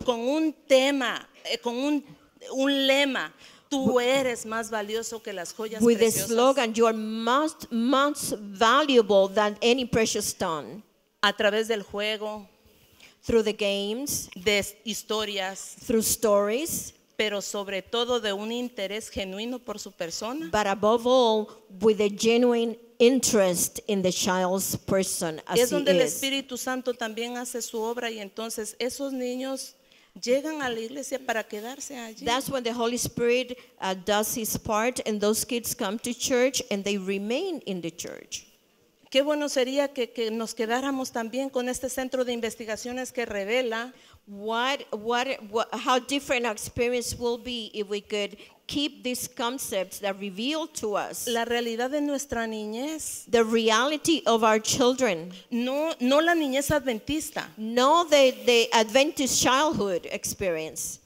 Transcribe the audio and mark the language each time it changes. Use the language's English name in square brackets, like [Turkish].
[Spanish] con un tema, con un lema, tú eres más valioso que las joyas [English] with [Spanish] preciosas. [English] The slogan, you are most valuable than any precious stone. [Spanish] A través del juego, [English] through the games, [Spanish] de historias, [English] through stories, [Spanish] pero sobre todo de un interés genuino por su persona, [English] but above all with a genuine interest in the child's person as he is. [Spanish] Es donde el Espíritu Santo también hace su obra y entonces esos niños llegan a la iglesia para quedarse allí. [English] That's when the Holy Spirit does his part and those kids come to church and they remain in the church. [Spanish] Qué bueno sería que nos quedáramos también con este centro de investigaciones que revela. [English] How different experience will be if we could keep these concepts that reveal to us [Spanish] la realidad de nuestra niñez. [English] The reality of our children. [Spanish] No la niñez adventista. [English] No the Adventist childhood experience.